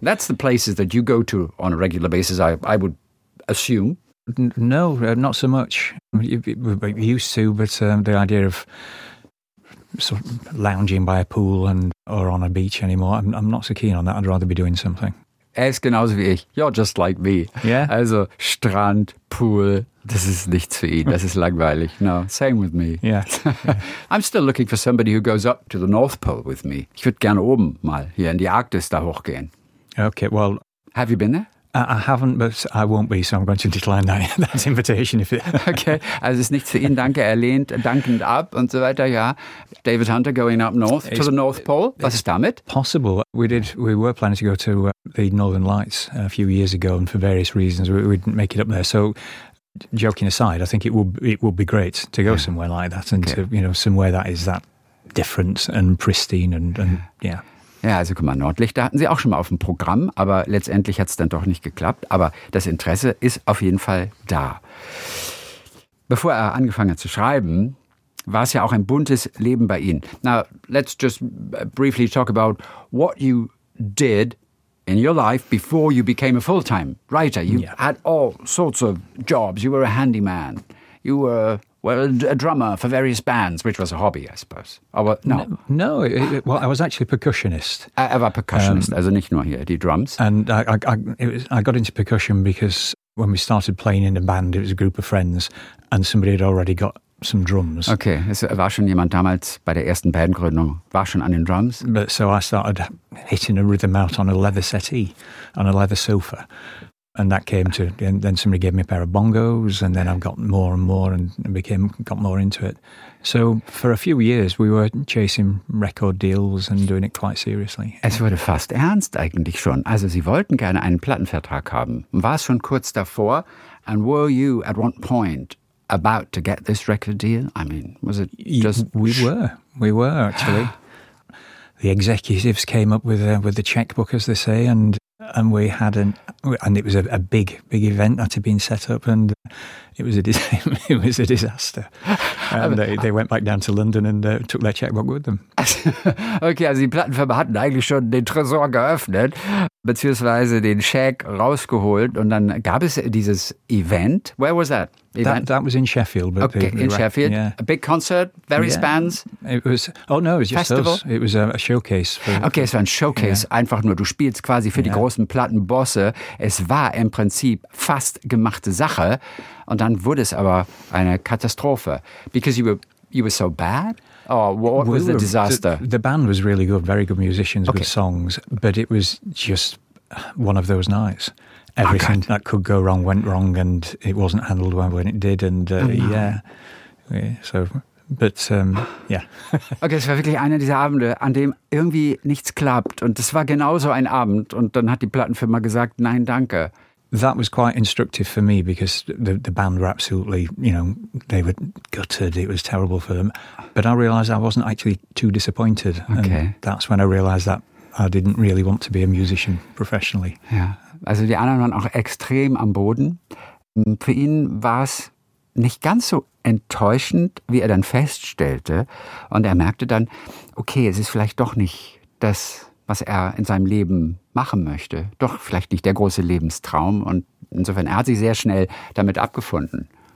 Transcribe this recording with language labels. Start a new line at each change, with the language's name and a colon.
English: That's the places that you go to on a regular basis, I would assume. No, not so much. We used to, but the idea of sort of lounging by a pool and or on a beach anymore, I'm not so keen on that. I'd rather be doing something.
German: Es genauso wie ich.
English: You're just like me. Yeah.
German: Also Strand, Pool, das ist nichts für ihn. Das ist langweilig.
English: No, same with me. Yeah. I'm still looking for somebody who goes up to the North Pole with me.
German: Ich würde gerne oben mal hier in die Arktis da hochgehen.
English: Okay, well. Have you been there? I haven't, but I won't be, so I'm going to decline that invitation. If it
German: okay, also it's nicht für ihn, danke, er lehnt dankend ab und so weiter, ja.
English: David Hunter going up north to the North Pole,
German: was ist damit?
English: Possible. We were planning to go to the Northern Lights a few years ago, and for various reasons we didn't make it up there. So, joking aside, I think it would be great to go somewhere like that and to, you know, somewhere that is that different and pristine and yeah.
German: Ja, also guck mal, Nordlichter hatten sie auch schon mal auf dem Programm, aber letztendlich hat es dann doch nicht geklappt. Aber das Interesse ist auf jeden Fall da. Bevor er angefangen hat zu schreiben, war es ja auch ein buntes Leben bei Ihnen.
English: Now, let's just briefly talk about what you did in your life before you became a full-time writer. You had all sorts of jobs. You were a handyman. You were... Well, a drummer for various bands, which was a hobby, I suppose. No, I was actually a percussionist.
German: Er war percussionist, also nicht nur hier, die drums.
English: And I got into percussion because when we started playing in a band, it was a group of friends, and somebody had already got some drums.
German: Okay, es war schon jemand damals bei der ersten Bandgründung, war schon an den Drums?
English: But so I started hitting a rhythm out on a leather settee, on a leather sofa. And that came to, and then somebody gave me a pair of bongos, and then I've got more and more and got more into it. So for a few years, we were chasing record deals and doing it quite seriously.
German: Es wurde fast ernst eigentlich schon. Also sie wollten gerne einen Plattenvertrag haben. War es schon kurz davor?
English: And were you at one point about to get this record deal? I mean, was it just... We were actually. The executives came up with the checkbook, as they say, and we had it was a big, big event that had been set up, and it was a disaster. And they went back down to London and took their checkbook with them.
German: Okay, also die Plattenfirma hatten eigentlich schon den Tresor geöffnet, beziehungsweise den Scheck rausgeholt, und dann gab es dieses Event.
English: Where was that event? That was in Sheffield. But okay, in Sheffield. Yeah. A big concert, various bands? It was just a showcase.
German: Es war ein Showcase, einfach nur. Du spielst quasi für die großen Plattenbosse. Es war im Prinzip fast gemachte Sache. Und dann wurde es aber eine Katastrophe.
English: Because you were so bad? Or what was the disaster? The band was really good, very good musicians, good songs. But it was just one of those nights. Everything that could go wrong went wrong, and it wasn't handled well when it did. And
German: Okay, es war wirklich einer dieser Abende, an dem irgendwie nichts klappt. Und es war genauso ein Abend. Und dann hat die Plattenfirma gesagt, nein, danke.
English: That was quite instructive for me because the band were absolutely, you know, they were gutted. It was terrible for them. But I realised I wasn't actually too disappointed. Okay. And that's when I realised that I didn't really want to be a musician professionally.
German: Ja, also die anderen waren auch extrem am Boden. Für ihn war es nicht ganz so enttäuschend, wie er dann feststellte. Und er merkte dann, okay, es ist vielleicht doch nicht das, was er in seinem Leben machen möchte. Doch vielleicht nicht der große Lebenstraum. Und insofern, er hat sich sehr schnell damit abgefunden.